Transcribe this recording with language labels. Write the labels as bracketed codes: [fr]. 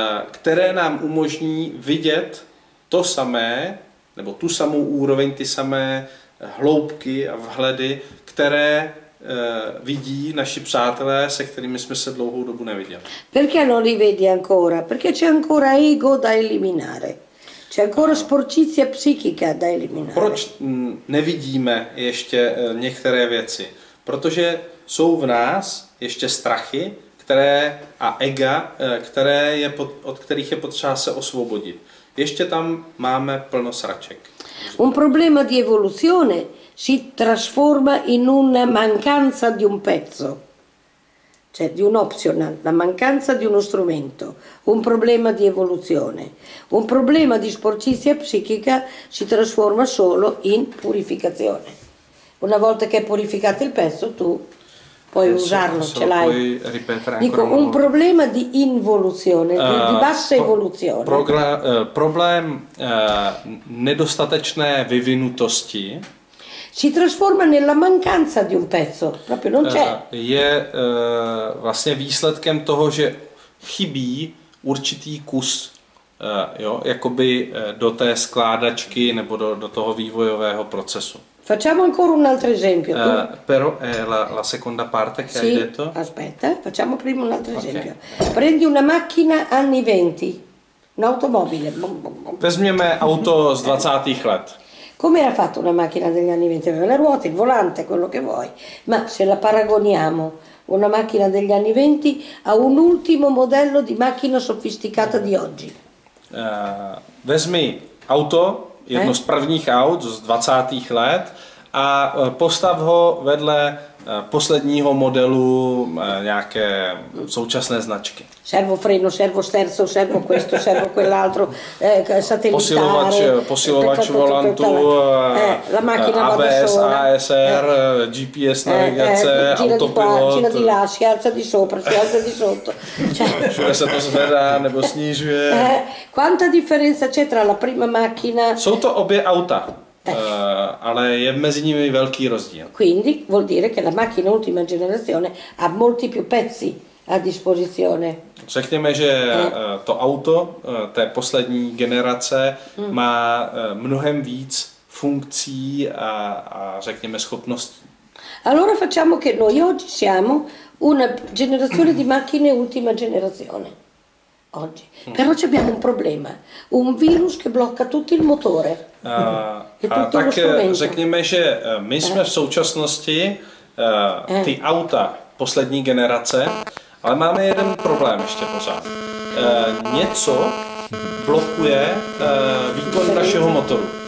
[cs] které nám umožní vidět to samé, nebo tu samou úroveň, ty samé hloubky a vhledy, které vidí naši přátelé, se kterými jsme se dlouhou dobu neviděli. [it] Perché non li vedi ancora? Perché c'è ancora ego da eliminare. C'è ancora sporcizia psichica da eliminare. [cs] Proč nevidíme ještě některé věci? Protože jsou v nás ještě strachy, které a ega, které je od kterých je potřeba se osvobodit. Ještě tam máme plno sraček. [it] Un problema di evoluzione si trasforma in una mancanza di un pezzo. Cioè di un optional, la mancanza di uno strumento, un problema di evoluzione. Un problema di sporcizia psichica si trasforma solo in purificazione. Una volta che hai purificato il pezzo, tu puoi usarlo, ce l'hai. Puoi ripetere dico, ancora un problema di involuzione, di bassa evoluzione. [cs] Problem nedostatečné vyvinutosti. [it] Si trasforma nella mancanza di un pezzo, proprio non c'è. [cs] Je vlastně výsledkem toho, že chybí určitý kus jakoby do té skládačky nebo do toho vývojového procesu. [it] Facciamo ancora un altro esempio. Però è la seconda parte che sì, hai detto. Aspetta, facciamo prima un altro esempio. Prendi una macchina anni 20, un'automobile. [cs] Vezmeme auto z 20. let. [it] Come era fatta una macchina degli anni 20? Aveva le ruote, il volante, quello che vuoi. Ma se la paragoniamo, una macchina degli anni 20, a un ultimo modello di macchina sofisticata di oggi. [cs] Vezmi auto. Jedno z prvních aut z 20. let a postav ho vedle posledního modelu nějaké současné značky. [it] Servo freno, servo sterzo, servo questo, servo quell'altro, satellitare. [cs] Posilovač volantu, ABS, ASR, GPS navigace, autopilot. [it] Gira di là, si alza di sopra, si alza di sotto. [cs] Cioè, se to zvedá nebo snižuje. [it] Quanta differenza c'è tra la prima macchina? [cs] Jsou to obě auta. Ale je mezi nimi velký rozdíl. [it] Quindi vuol dire che la macchina ultima generazione ha molti più pezzi a disposizione. [cs] Řekněme, že to auto té poslední generace má mnohem víc funkcí a řekněme schopností. [it] Allora facciamo che noi oggi siamo una generazione di macchine ultima generazione. Oggi. Però ci abbiamo un problema, un virus che blocca tutto il motore. [cs] Tak řekněme, že my jsme v současnosti ty auta poslední generace, ale máme jeden problém ještě pořád. Něco blokuje výkon našeho motoru.